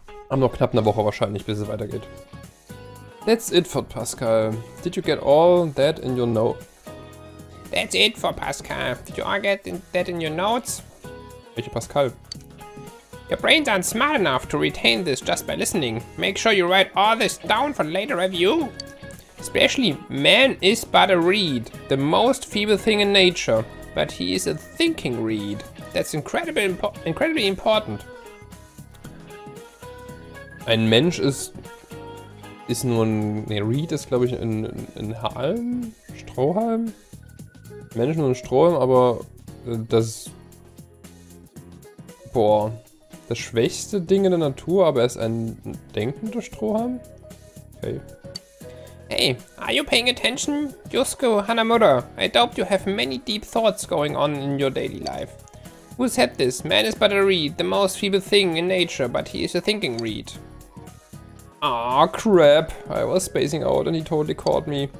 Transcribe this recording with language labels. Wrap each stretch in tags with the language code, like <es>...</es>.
<de>Haben noch knapp eine Woche wahrscheinlich, bis es weitergeht.</de> <en>That's it for Pascal. Did you get all that in your note? That's it for Pascal. Did you all get that in your notes?</en> <de>Welche Pascal?</de> <en>Your brains aren't smart enough to retain this just by listening. Make sure you write all this down for later review. Especially, man is but a reed. The most feeble thing in nature. But he is a thinking reed. That's incredibly important.</en> <de>Ein Mensch ist nur ein... Ne, Reed ist, glaube ich, ein Halm? Strohhalm? Mensch nur ein Strohhalm, aber das... Boah. Das schwächste Ding in der Natur, aber er ist ein denkender Strohhalm? Okay.</de> <en>Hey, are you paying attention? Yusuke Hanamura, I doubt you have many deep thoughts going on in your daily life. Who said this? Man is but a reed, the most feeble thing in nature, but he is a thinking reed. Aw, oh, crap. I was spacing out and he totally caught me.</en>